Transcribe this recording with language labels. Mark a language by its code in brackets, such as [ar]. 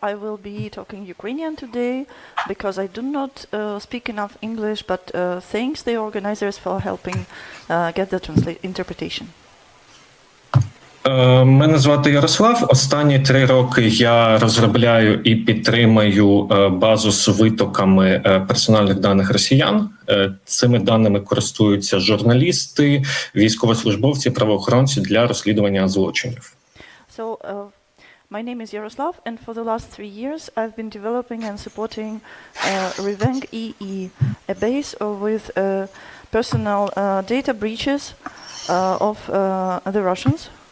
[en] I will be talking Ukrainian today because I do not speak enough English, but thanks the organizers for helping get the interpretation. [uk] Мене звати Ярослав. Останні три роки я розробляю і підтримую базу з витоками персональних даних росіян. Цими даними користуються журналісти, військовослужбовці, правоохоронці для розслідування злочинів. [en] So, my name is Yaroslav, and for the last 3 years I've been developing and supporting Revenge EE, a base with personal data breaches of the Russians.